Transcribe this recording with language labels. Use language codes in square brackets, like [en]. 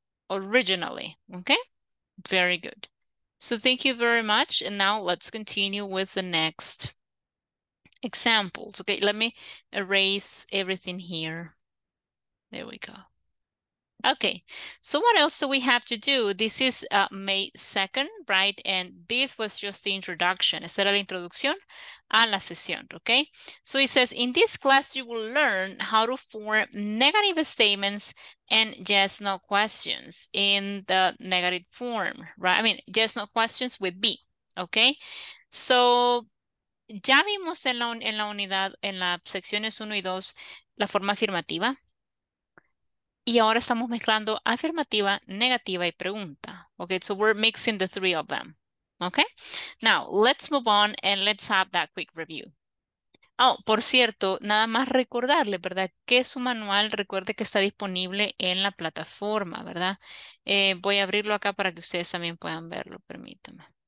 [en] Originally, okay? Very good. So thank you very much. And now let's continue with the next examples. Okay, let me erase everything here. There we go. Okay, so what else do we have to do? This is May 2nd, right? And this was just the introduction. [es] Esta era la introducción a la sesión, okay? [en] So it says, in this class, you will learn how to form negative statements and yes, no questions in the negative form, right? I mean, yes, no questions with B, okay? [es] So ya vimos en la unidad, en las secciones 1 y 2, la forma afirmativa. Y ahora estamos mezclando afirmativa, negativa y pregunta. [en] Okay, so we're mixing the three of them. Okay, now let's move on and let's have that quick review. [es] Oh, por cierto, nada más recordarle, ¿verdad? Que su manual, recuerde que está disponible en la plataforma, ¿verdad? Voy a abrirlo acá para que ustedes también puedan verlo, permítanme.